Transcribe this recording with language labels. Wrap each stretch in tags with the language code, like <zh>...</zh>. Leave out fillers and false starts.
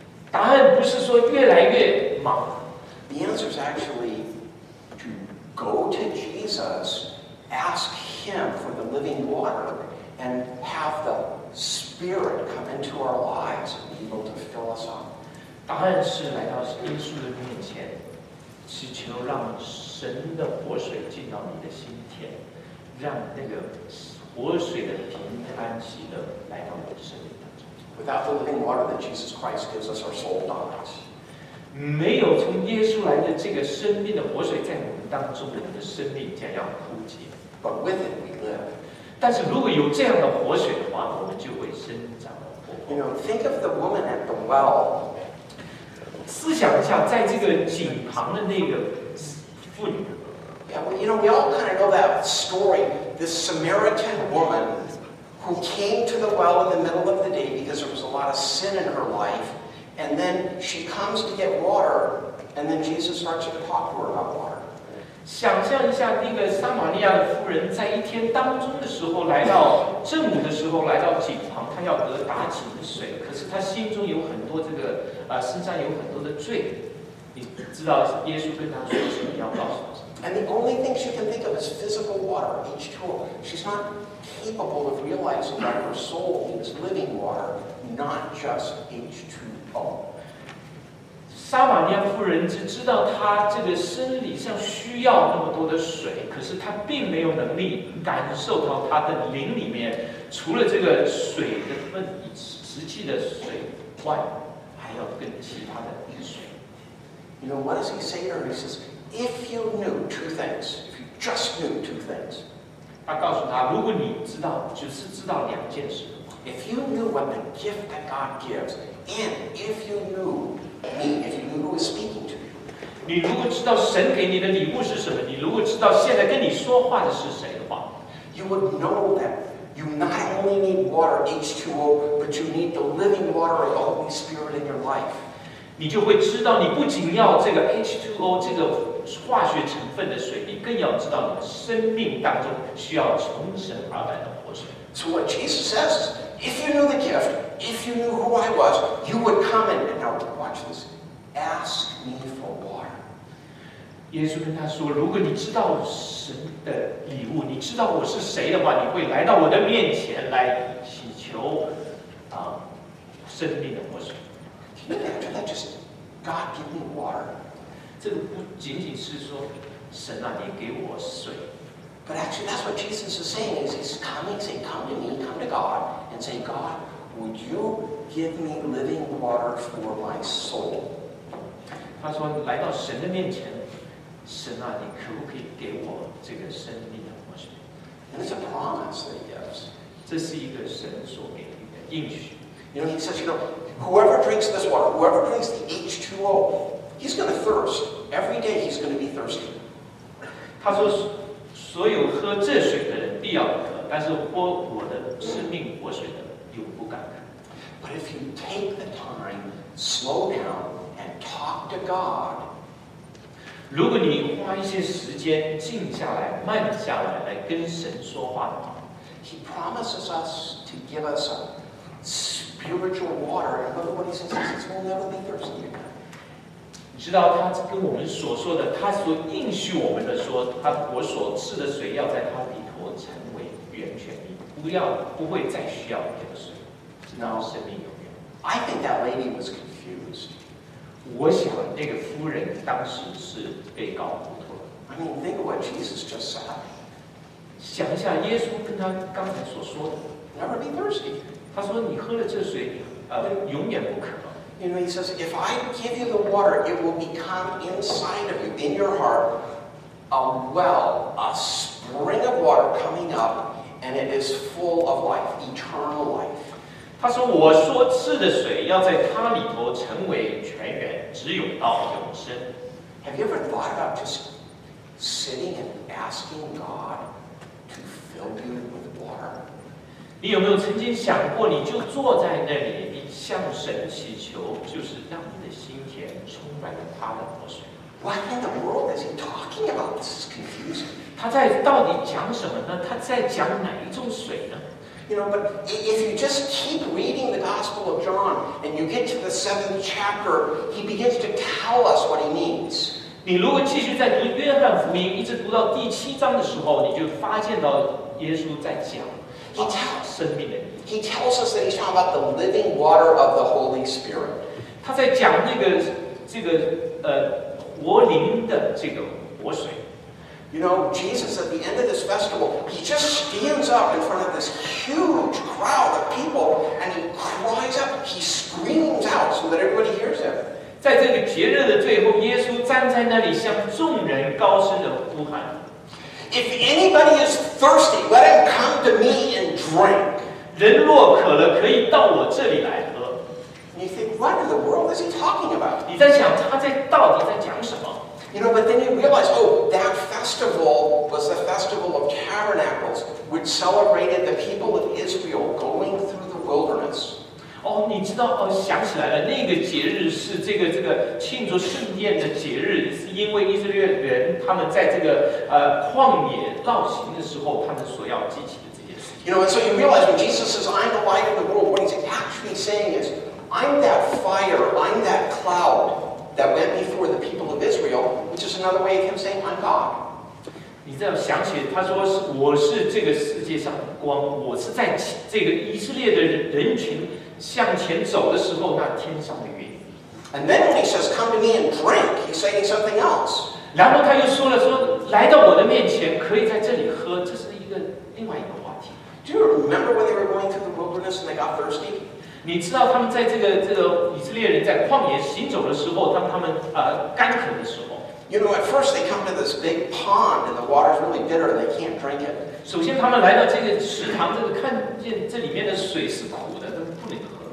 <zh>答案不是说越来越忙。</zh> <en>The answer is actually to go to Jesus, ask Him for the living water, and have the Spirit come into our lives and be able to fill us up.</en> <zh>答案是来到耶稣的面前，祈求让神的活水进到你的心田，让那个活水的平安喜乐来到你的生命。</zh> <en>Without the living water that Jesus Christ gives us, our soul dies.</en> <zh>没有从耶稣来的这个生命的活水在我们当中，我们的生命将要枯竭。</zh> <en>But with it, we live.</en> <zh>但是如果有这样的活水的话，我们就会生长活泼。</zh> <en>You know, think of the woman at the well.</en> <zh>思想一下，在这个井旁的那个妇女。</zh> <en>Yeah, well, you know, we all kind of know that story. This Samaritan woman. Who came to the well in the middle of the day because there was a lot of sin in her life, and then she comes to get water, and then Jesus starts to talk to her about water.</en> <zh>想象一下，那个撒玛利亚的妇人在一天当中的时候，来到正午的时候，来到井旁，她要得打井的水，可是她心中有很多这个身上有很多的罪。你知道耶稣跟她说什么，要告诉她什么？</zh> <en>And the only thing she can think of is physical water, H2O. She's not. Capable of realizing that her soul needs living water, not just H2O.</en> <zh>撒玛利亚妇人只知道她这个生理上需要那么多的水，可是她并没有能力感受到她的灵里面除了这个水的分实际的水外，还要跟其他的水。</zh> <en>You know what does he say to her? He says, "If you knew two things, if you just knew two things."</en> <zh>他告诉他，如果你知道，只是知道两件事。</zh> <en>If you knew what the gift that God gives, and if you knew me, if you knew who is speaking to you,</en> <zh>你如果知道神给你的礼物是什么，你如果知道现在跟你说话的是谁的话</zh> <en>，you would know that you not only need water H2O, but you need the living water of the Holy Spirit in your life.</en> <zh>你就会知道，你不仅要这个 H2O 这个。化学成分的水，你更要知道，你生命当中需要从神而来的活水。</zh> <en>So what Jesus says, if you knew the gift, if you knew who I was, you would come and now watch this. Ask me for water.</en> <zh>耶稣跟他说，如果你知道神的礼物，你知道我是谁的话，你会来到我的面前来祈求啊生命的活水。</zh> <en>Can you imagine that? Just God give me water.</en> <zh>这个不仅仅是说神啊，你给我水。</zh> <en>But actually, that's what Jesus is saying. He's coming, saying, "Come to me, come to God, and say, God, would you give me living water for my soul?"</en> <zh>他说来到神的面前，神啊，你可不可以给我这个生命的活水？</zh> <en>And it's a promise that he gives.</en> <zh>这是一个神所给的一个应许。</zh> <en>You know, he says, you know, whoever drinks this water, whoever drinks the H2O. He's going to thirst. Every day he's going to be thirsty.</en> <zh>他说所有喝这水的人必要渴，但是喝我的生命活水的永不干渴。</zh> <en>But if you take the time, slow down, and talk to God,</en> <zh>如果你花一些时间静下来，慢下来，来跟神说话的话，</zh> <en>He promises us to give us a spiritual water. And look what he says, he says, we'll never be thirsty again.</en> <zh>知道他跟我们所说的，他所应许我们的说，他我所赐的水要在他里头成为源泉，不会再需要别的水，直到生命永远。</zh> <en>I think that lady was confused.</en> <zh>我想那个夫人当时是被搞糊涂了。</zh> <en>I mean, think of what Jesus just said.</en> <zh>想一下耶稣跟他刚才所说的。</zh> <en>Never be thirsty.</en> <zh>他说你喝了这水，永远不渴。</zh> <en>You know, he says, if I give you the water, it will become inside of you, in your heart, a well, a spring of water coming up, And it is full of life, eternal life.</en> <zh>他说我所赐的水要在它里头成为泉源，只有到永生。</zh> <en>Have you ever thought about just sitting and asking God to fill you with water?</en> <zh>你有没有曾经想过，你就坐在那里，你向神祈求，就是让你的心田充满了他的活水？</zh> <en>What in the world is he talking about? This is confusing.</en> <zh>他在到底讲什么呢？他在讲哪一种水呢？</zh> <en>You know, but if you just keep reading the Gospel of John and you get to the 7th chapter, he begins to tell us what he means.</en> <zh>你如果继续在读约翰福音，一直读到第七章的时候，你就发现到耶稣在讲生命的意义。</zh> <en>He tells us that he's talking about the living water of the Holy Spirit.</en> <zh>他在讲活灵的这个活水。</zh> <en>You know, Jesus, at the end of this festival, he just stands up in front of this huge crowd of people, and he cries up, he screams out so that everybody hears him.</en> <zh>在这个节日的最后，耶稣站在那里向众人高声的呼喊。</zh> <en>If anybody is thirsty, let him come to me and drink.</en> <zh>人若渴了，可以到我这里来喝。</zh> <en>You think, what in the world is he talking about?</en> <zh>你在想他在到底在讲什么？</zh> <en>You know, but then you realize, oh, that festival was the festival of tabernacles, which celebrated the people of Israel going through the wilderness.</en> <zh>哦，你知道哦，想起来了，那个节日是这个庆祝圣殿的节日，是因为以色列人他们在这个旷野绕行的时候，他们所要记起的这件事。</zh> <en>You know, and so you realize when Jesus says, "I'm the light of the world," what he's actually saying is, "I'm that fire, I'm that cloud." That went before the people of Israel, which is another way of him saying, "I'm God."</en> <zh>你这样想起，他说是我是这个世界上的光，我是在这个以色列的人群向前走的时候，那天上的云。</zh> <en>And then when he says, "Come to me and drink," he's saying something else.</en> <zh>然后他又说了说，来到我的面前，可以在这里喝，这是另外一个话题。</zh> <en>Do you remember when they were going through the wilderness and they got thirsty?</en> <zh>你知道他们在这个以色列人在旷野行走的时候，当他们干渴的时候。</zh> <en>You know, at first they come to this big pond and the water's really bitter and they can't drink it.</en> <zh>首先他们来到这个池塘，看见这里面的水是苦的，都不能喝。</zh>